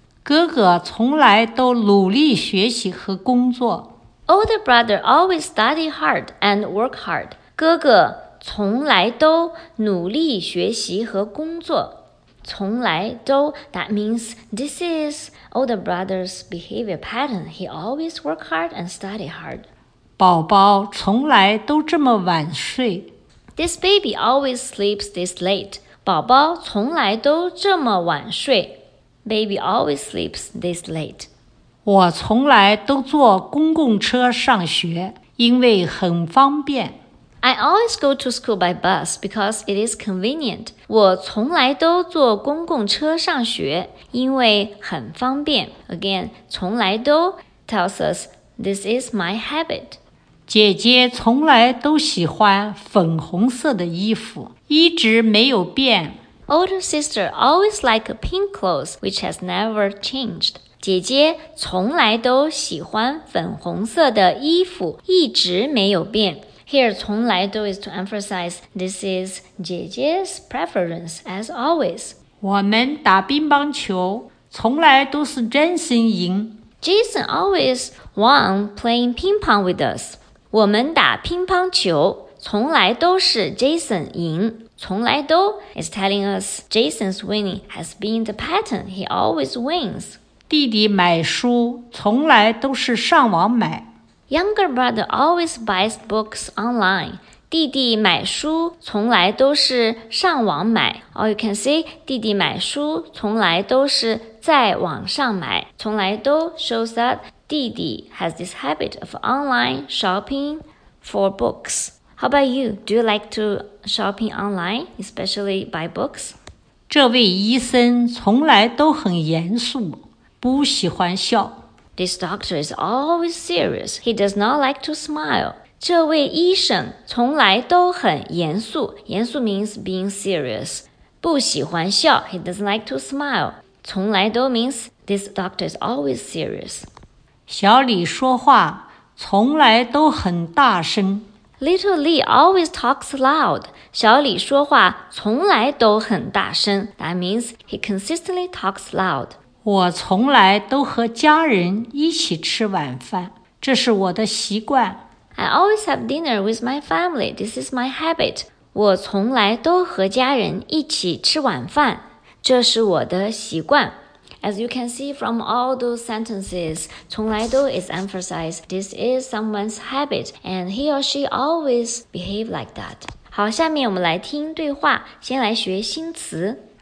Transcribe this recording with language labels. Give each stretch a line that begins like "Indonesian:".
Chinese: 哥哥从来都努力学习和工作。
English: Older brother always study hard and work hard.
Chinese: 哥哥从来都努力学习和工作。
English: 从来都 that means this is older brother's behavior pattern. He always work hard and study hard.
Chinese: 宝宝从来都这么晚睡。
English: This baby always sleeps this late.
Chinese: 宝宝从来都这么晚睡。
English: Baby always sleeps this late.
Chinese: 我从来都坐公共车上学，因为很方便。
English: I always go to school by bus because it is convenient.
Chinese: 我从来都坐公共车上学，因为很方便。
English: Again, 从来都 tells us this is my habit.
Chinese: 姐姐从来都喜欢粉红色的衣服，一直没有变。
English: Older sister always like pink clothes, which has never changed.
Chinese: 姐姐从来都喜欢粉红色的衣服，一直没有变。
English: Here, 从来都 is to emphasize this is 姐姐's preference as always.
Chinese: 我们打乒乓球从来都是 Jason 赢。
English: Jason always won playing ping pong with us.
Chinese: 我们打乒乓球从来都是 Jason 赢。
English: 从来都 is telling us Jason's winning has been the pattern. He always wins.
Chinese: 弟弟买书从来都是上网买。
English: Younger brother always buys books online.
Chinese: 弟弟买书从来都是上网买。
English: Or you can say,
Chinese: 弟弟买书从来都是在网上买。
English: 从来都 shows that 弟弟 has this habit of online shopping for books. How about you? Do you like to shopping online, especially buy books?
Chinese: 这位医生从来都很严肃，不喜欢笑。
English: This doctor is always serious. He does not like to smile.
Chinese: 这位医生从来都很严肃。
English: 严肃 means being serious.
Chinese: 不喜欢笑。
English: He doesn't like to smile. 从来都 means this doctor is always serious.
Chinese: 小李说话从来都很大声。
English: Little Li always talks loud.
Chinese: 小李说话从来都很大声。
English: That means he consistently talks loud.
Chinese: 我从来都和家人一起吃晚饭，这是我的习惯。
English: I always have dinner with my family. This is my habit.
Chinese: 我从来都和家人一起吃晚饭，这是我的习惯。
English: As you can see from all those sentences, 从来都 is emphasized. This is someone's habit, and he or she always behave like that.
Chinese: 好，下面我们来听对话，先来学新词。